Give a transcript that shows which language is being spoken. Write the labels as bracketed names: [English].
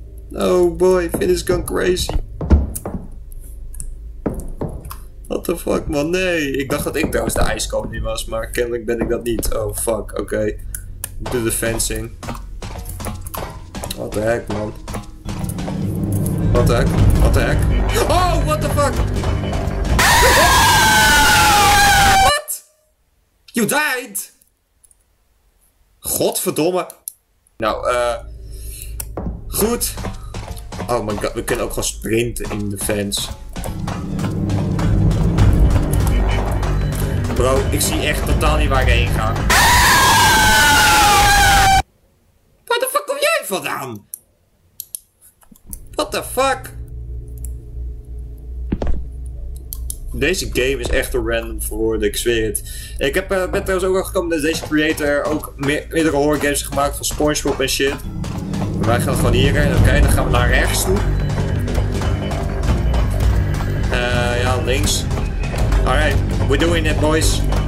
[English] Oh boy, Finn is gone crazy. What the fuck, man? [Dutch] Nee, ik dacht dat ik trouwens de ijskoning was, maar kennelijk ben ik dat niet. [English] Oh fuck, oké. Okay. [Dutch] Doe de fencing. [English] What the heck, man? What the heck? Oh, what the fuck? What? You died? [Dutch] Godverdomme. Nou, goed. [English] Oh my god, [Dutch] we kunnen ook gewoon sprinten in de fans. Bro, ik zie echt totaal niet waar ik heen ga. Waar de fuck kom jij vandaan? [English] What the fuck? [Dutch] Deze game is echt een random verwoorden, ik zweer het. Ik heb, ben trouwens ook al gekomen dat deze creator ook meerdere horror games gemaakt van SpongeBob en shit. Maar wij gaan gewoon hierheen, oké, okay, dan gaan we naar rechts toe. Ja, links. [English] Alright, we're doing it, boys.